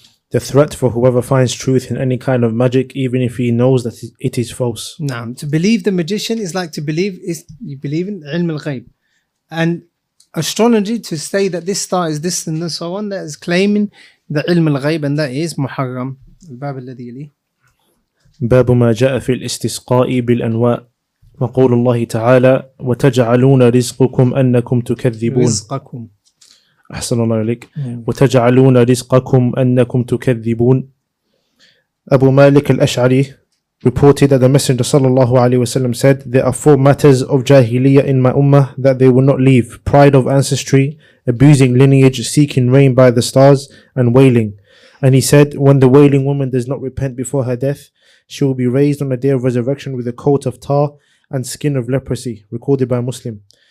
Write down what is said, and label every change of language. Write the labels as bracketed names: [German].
[English] The threat for whoever finds truth in any kind of magic, even if he knows that it is false. Now, to believe the magician is like to believe, is you believe in ilm al-ghayb. And astrology, to say that this star is this and so on, that is claiming the ilm al-ghayb, and that is muharram. [Arabic] الباب الذي يلي. باب ما جاء في الاستسقاء بالأنواء. وقول الله تعالى وتجعلون رزقكم أنكم تكذبون. رزقكم. أحسن الله إليك. وتجعلون رزقكم أنكم تكذبون. [English] أبو مالك الأشعري reported that the Messenger [Arabic] صلى الله عليه وسلم [English] said, there are four matters of jahiliyyah in my ummah that they will not leave: pride of ancestry, abusing lineage, seeking rain by the stars, and wailing. And he said, when the wailing woman does not repent before her death, she will be raised on the day of resurrection with a coat of tar and skin of leprosy, recorded by Muslim.